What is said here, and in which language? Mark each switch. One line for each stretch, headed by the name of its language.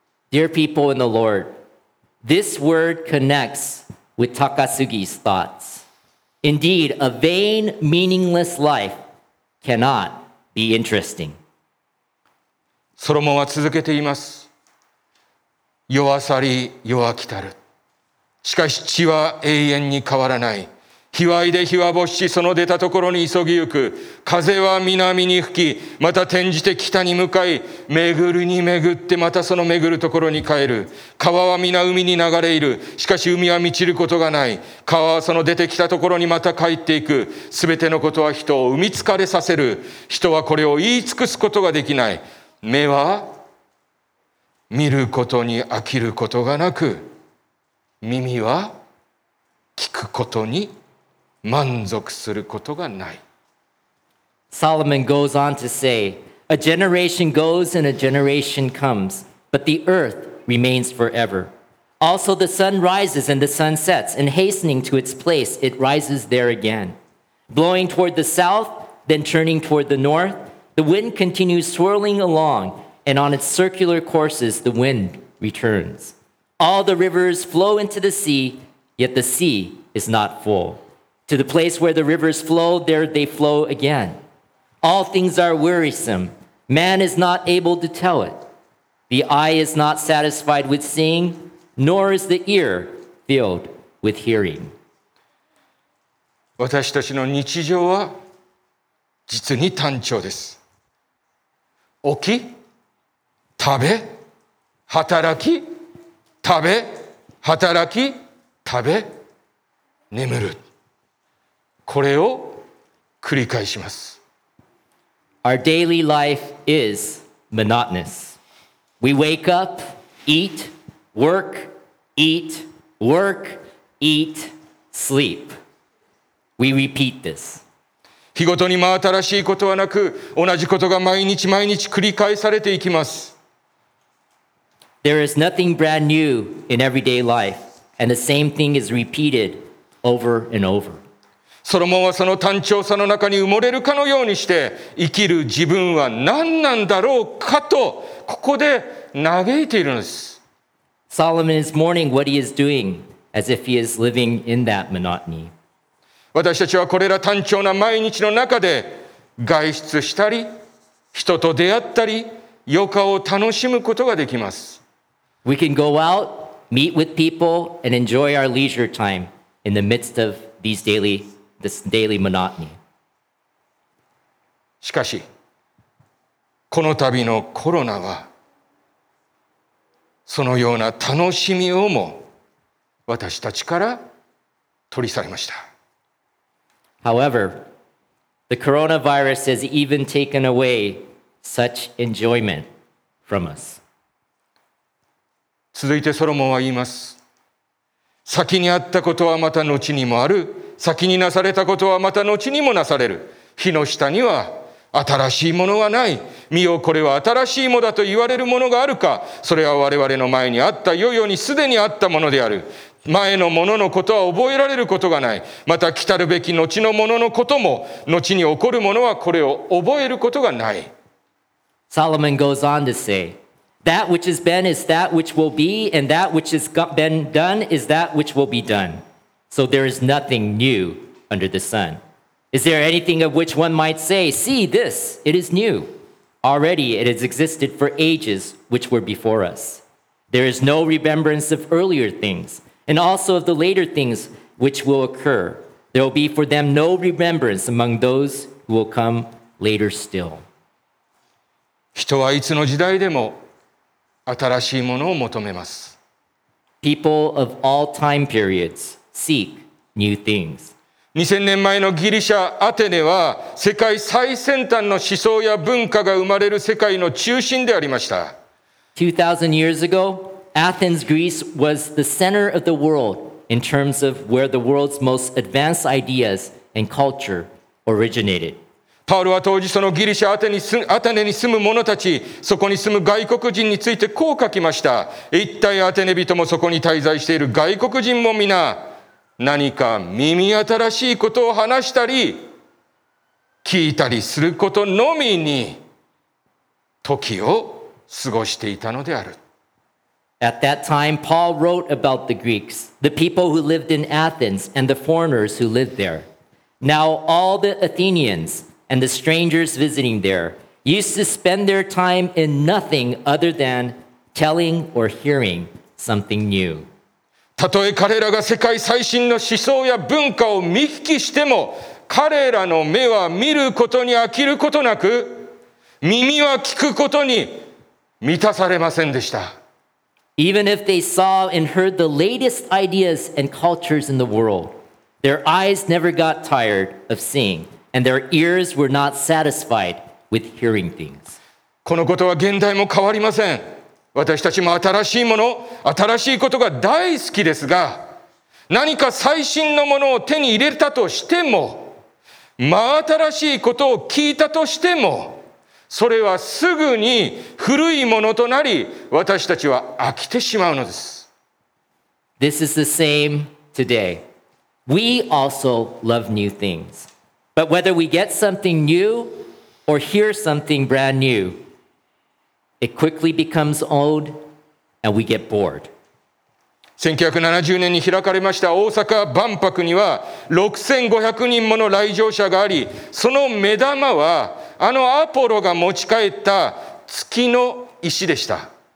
English: Dear people in the Lord, this word connects with Takasugi's thoughts. Indeed, a vain, meaningless life cannot be interesting.
Japanese: ソロモンは続けています。世は去り、世は来たる。しかし地は永遠に変わらない。日は出で日は没し、その出たところに急ぎゆく。風は南に吹き、また転じて北に向かい、巡るに巡ってまたその巡るところに帰る。川は皆海に流れいる。しかし海は満ちることがない。川はその出てきたところにまた帰っていく。すべてのことは人を産み疲れさせる。人はこれを言い尽くすことができない。目は見ることに飽きることがなく、耳は聞くことに満足することがない。
English: Solomon goes on to say, A generation goes and a generation comes, but the earth remains forever. Also the sun rises and the sun sets, and hastening to its place, it rises there again. Blowing toward the south, then turning toward the north, the wind continues swirling along, and on its circular courses, the wind returns. All the rivers flow into the sea, yet the sea is not full. To the place where the rivers flow, there they flow again. All things are wearisome. Man is not able to tell it. The eye is not satisfied with seeing, nor is the ear filled with hearing.
Japanese: 私たちの日常は実に単調です。起き、食べ、働き、食べ、働き、食べ、眠る。これを繰り返します。
English: Our daily life is monotonous. We wake up, eat, work, eat, work, eat, sleep. We repeat this.
Japanese: 日ごとに真新しいことはなく、同じことが毎日毎日繰り返されていきます。
English: There is nothing brand new in everyday life, and the same thing is repeated over and over.
Japanese: ソロモンはその単調さの中に埋もれるかのようにして生きる自分は何なんだろうかとここで嘆いているんです。
English: Solomon is mourning what he is doing as if he is living in that monotony.
Japanese: 私たちはこれら単調な毎日の中で外出したり人と出会ったり余暇を楽しむことができます。
English: We can go out, meet with people, and enjoy our leisure time in the midst of these dailyThis daily monotony.
Japanese: しかし、この度のコロナは、そのような楽しみをも私たちから取り去りました。
English: However, the coronavirus has even taken away such enjoyment from us.
Japanese: 続いてソロモンは言います。先にあったことはまた後にもある。先になされたことはまた後にもなされる。火の下には新しいものはない。見よ、これは新しいものだと言われるものがあるか。それは我々の前にあった、いよいよにすでにあったものである。前のもののことは覚えられることがない。また来たるべき後のもののことも、後に起こるものはこれを覚えることがない。
English: Solomon goes on to say, That which has been is that which will be, and that which has been done is that which will be done. So there is nothing new under the sun. Is there anything of which one might say, See this, it is new. Already it has existed for ages which were before us. There is no remembrance of earlier things, and also of the later things which will occur. There will be for them no remembrance among those who will come later still.
Japanese: 人はいつの時代でも新しいものを求めます。
English: People of all time periods,Seek new things.
Japanese: 2000年前のギリシャ・アテネは世界最先端の思想や文化が生まれる世界の中心でありました。
English: 2000 years ago, Athens, Greece was the center of the world in terms of where the world's most advanced ideas and culture originated.
Japanese: パウロは当時そのギリシャアテネに住む者たち、そこに住む外国人についてこう書きました。一体アテネ人もそこに滞在している外国人も皆、何か耳新しいことを話したり、聞いたりすることのみに、時を過ごしていたのである。
English: At that time, Paul wrote about the Greeks, the people who lived in Athens, and the foreigners who lived there. Now all the Athenians and the strangers visiting there used to spend their time in nothing other than telling or hearing something new.
Japanese: たとえ彼らが世界最新の思想や文化を見聞きしても、彼らの目は見ることに飽きることなく、耳は聞くことに満たされませんでした。
English: Even if they saw and heard the latest ideas and cultures in the world, their eyes never got tired of seeing, and their ears were not satisfied with hearing things.
Japanese: このことは現代も変わりません。私たちも新しいもの、新しいことが大好きですが、何か最新のものを手に入れたとしても、真新しいことを聞いたとしても、それはすぐに古いものとなり、私たちは飽きてしまうのです。
English: This is the same today. We also love new things. But whether we get something new or hear something brand new, it quickly becomes old and we get bored.
Japanese: 1970年に開かれました大阪万博には6500人もの来場者があり、その目玉はあのアポロが持ち帰った月の石でした。